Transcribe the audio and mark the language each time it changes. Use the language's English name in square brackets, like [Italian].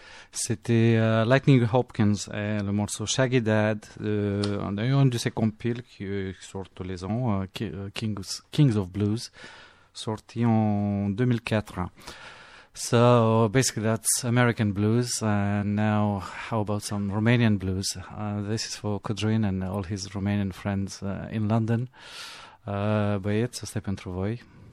[French] C'était Lightning Hopkins, et le morceau Shaggy Dad, d'un de ses compiles qui sort tous les ans, Kings of Blues, sorti en 2004. [English] So, basically that's American blues, and now how about some Romanian blues? This is for Codrin and all his Romanian friends in London. [Romanian] Băieți, să stai pentru voi.